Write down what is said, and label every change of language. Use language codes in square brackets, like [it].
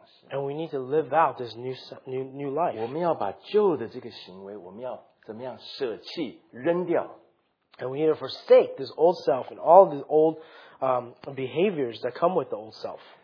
[en] And we need to live out this new life. [zh] 我们要把旧的这个行为,我们要怎么样舍弃, [en] and we need to forsake this old self and all the old behaviors that come with the old self.